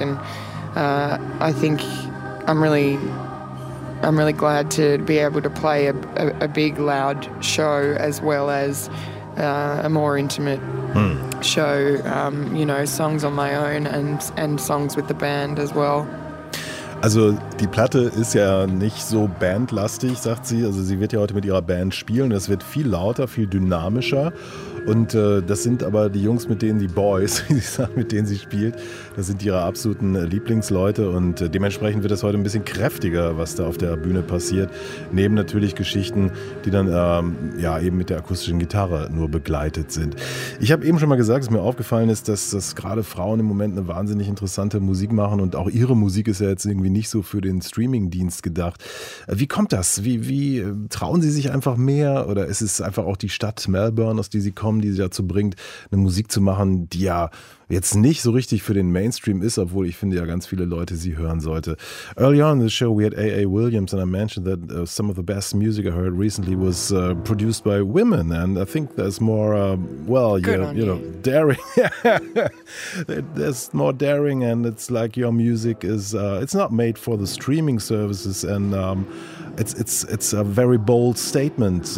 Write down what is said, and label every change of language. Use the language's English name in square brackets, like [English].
[English] And I think I'm really glad to be able to play a big, loud show as well as a more intimate show, you know, songs on my own and songs with the band as well. [German] Also die Platte ist ja nicht so bandlastig, sagt sie. Also sie wird ja heute mit ihrer Band spielen. Es wird viel lauter, viel dynamischer. Und das sind aber die Jungs, mit denen die Boys, mit denen sie spielt, das sind ihre absoluten Lieblingsleute. Und dementsprechend wird das heute ein bisschen kräftiger, was da auf der Bühne passiert. Neben natürlich Geschichten, die dann ja eben mit der akustischen Gitarre nur begleitet sind. Ich habe eben schon mal gesagt, dass mir aufgefallen ist, dass gerade Frauen im Moment eine wahnsinnig interessante Musik machen. Und auch ihre Musik ist ja jetzt irgendwie nicht so für den Streaming-Dienst gedacht. Wie kommt das? Wie trauen sie sich einfach mehr? Oder ist es einfach auch die Stadt Melbourne, aus der sie kommen, die sie dazu bringt, eine Musik zu machen, die ja jetzt nicht so richtig für den Mainstream ist, obwohl ich finde ja ganz viele Leute sie hören sollte. [English] Early on in the show we had A.A. Williams and I mentioned that some of the best music I heard recently was produced by women, and I think there's more, you know, daring. There's more daring, and it's like your music is, it's not made for the streaming services, and it's a very bold statement.